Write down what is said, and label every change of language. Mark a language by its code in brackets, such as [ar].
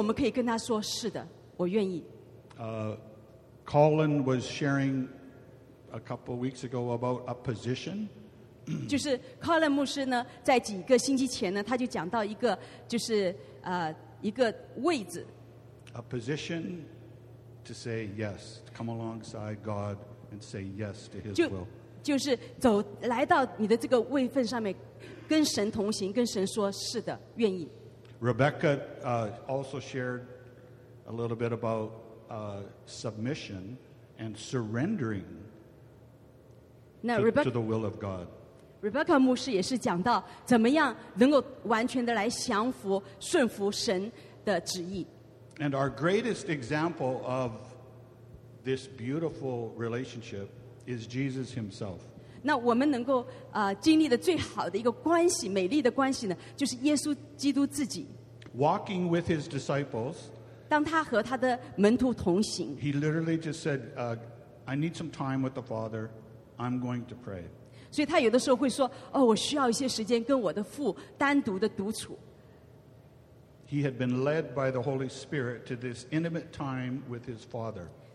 [zh] 所以我们的天父就这样，他非常柔和的，他非常想那个仔细的带领我们到一个地步，以至于我们可以跟他说是的，我愿意。 [en] Colin was sharing a couple weeks ago about a position. [zh] 就是 Colin 牧师呢，在几个星期前呢，他就讲到一个就是一个位置。 [en] A position to say yes, to come alongside God. And say yes to His will. [zh] 就是走来到你的这个位份上面，跟神同行，跟神说是的，愿意。Rebecca [en] also shared a little bit about submission and surrendering to the will of God. [zh] Rebecca 牧师也是讲到怎么样能够完全的来降服、顺服神的旨意。 [en] And our greatest example of this beautiful relationship is Jesus himself. [zh] 那我们能够, 经历的最好的一个关系，美丽的关系呢，就是耶稣基督自己。 [en] Walking with his disciples, [zh] 当他和他的门徒同行, [en] he literally just said, I need some time with the Father, I'm going to pray. [zh] 所以他有的时候会说, 哦, 我需要一些时间跟我的父单独的独处。 [en] He had been led by the Holy Spirit to this intimate time with his Father.